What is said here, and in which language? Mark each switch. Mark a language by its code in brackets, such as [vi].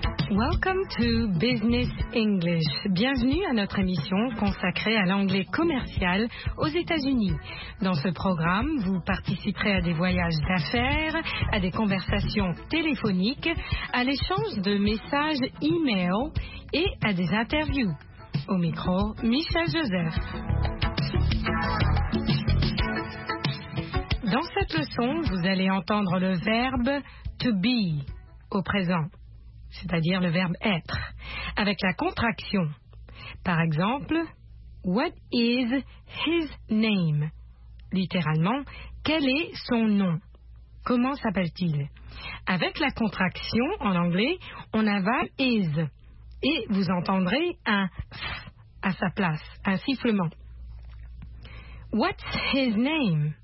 [en] Welcome to Business English. [fr] Bienvenue à notre émission consacrée à l'anglais commercial aux États-Unis. Dans ce programme, vous participerez à des voyages d'affaires, à des conversations téléphoniques, à l'échange de messages e-mail et à des interviews. Au micro, Michel Joseph. Dans cette leçon, vous allez entendre le verbe to be au présent, c'est-à-dire le verbe être, avec la contraction. Par exemple, [en] what is his name? [fr] Littéralement, quel est son nom? Comment s'appelle-t-il? Avec la contraction, en anglais, on avale is, et vous entendrez un f à sa place, un sifflement. [en] What's his name?